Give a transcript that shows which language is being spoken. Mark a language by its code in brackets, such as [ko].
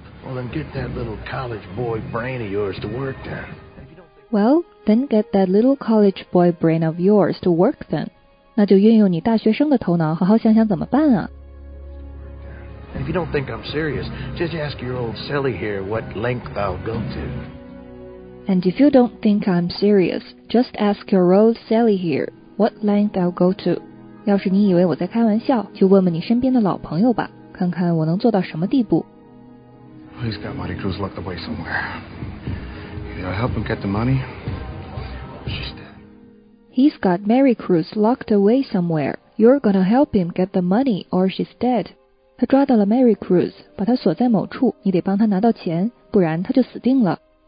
[en] Well, then get that little college boy brain of yours to work then. Well, then get that little college boy brain of yours to work then. [zh] 那就运用你大学生的头脑好好想想怎么办啊。 [en] And if you don't think I'm serious, just ask your old silly here what length I'll go to. And if you don't think I'm serious, just ask your old Sally here what length I'll go to. [zh] 要是你以为我在开玩笑，就问问你身边的老朋友吧，看看我能做到什么地步。 [en] He's got Marty Cruz locked away somewhere. Either I help him get the money, or she's dead. He's got Mary Cruz locked away somewhere. You're gonna help him get the money, or she's dead. [zh] 他抓到了 Mary Cruz, 把他锁在某处，你得帮他拿到钱，不然他就死定了。